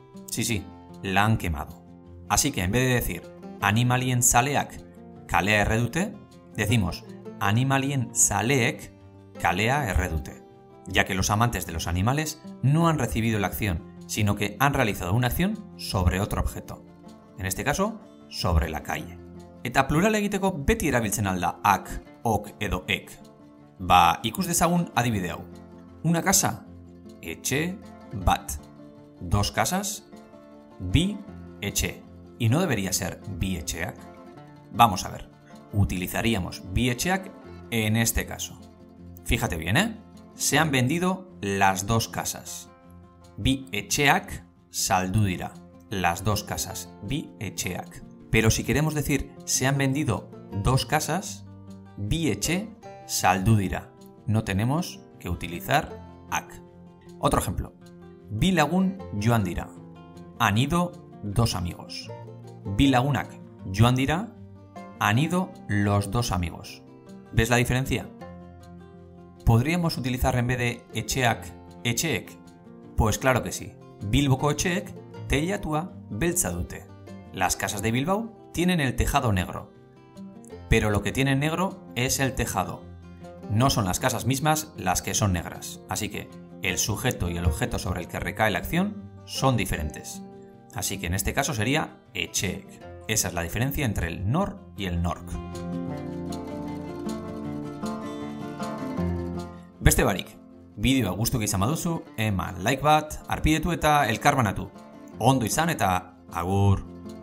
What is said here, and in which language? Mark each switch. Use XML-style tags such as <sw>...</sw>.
<es>Sí, sí, la han quemado. Así que en vez de decir</es> <eu>animalien zaleak kalea erre dute,</eu> <es>decimos</es> <eu>animalien zaleek kalea erre dute,</eu> <es>ya que los amantes de los animales no han recibido la acción, sino que han realizado una acción sobre otro objeto. En este caso, sobre la calle.</es> <eu>Eta plural egiteko beti erabiltzen alda ak, ok edo ek. Ba, ikus dezagun adibide hau.</eu> <es>Una casa,</es> <eu>etxe, bat.</eu> <es>Dos casas,</es> <eu>bi, etxe.</eu> <es>Y no debería ser</es> <eu>bi etxeak.</eu> <es>Vamos a ver, utilizaríamos bi etxeak en este caso. Fíjate bien, ¿eh? Se han vendido las dos casas.</es> <eu>Bi etxeak saldu dira,</eu> <es>las dos casas,</es> <eu>bi etxeak.</eu> <es>Pero si queremos decir se han vendido dos casas,</es> <eu>bi etxe saldu dira.</eu> <es>No tenemos que utilizar ak. Otro ejemplo.</es> <eu>Bi lagun joan dira.</eu> <es>Han ido dos amigos.</es> <eu>Bi lagunak joan dira.</eu> <es>Han ido los dos amigos. ¿Ves la diferencia? ¿Podríamos utilizar en vez de etxeak, etxeek? Pues claro que sí.</es> <eu>Bilboko etxeek teilatua beltza dute.</eu> <es>Las casas de Bilbao tienen el tejado negro. Pero lo que tiene negro es el tejado. No son las casas mismas las que son negras. Así que el sujeto y el objeto sobre el que recae la acción son diferentes. Así que en este caso sería etxeek. Esa es la diferencia entre el nor y el nork.</es> <eu>Beste barik, bideoa gustuko izan baduzu, eman like bat, arpidetu eta elkarbanatu. Ondo izan eta agur!</eu>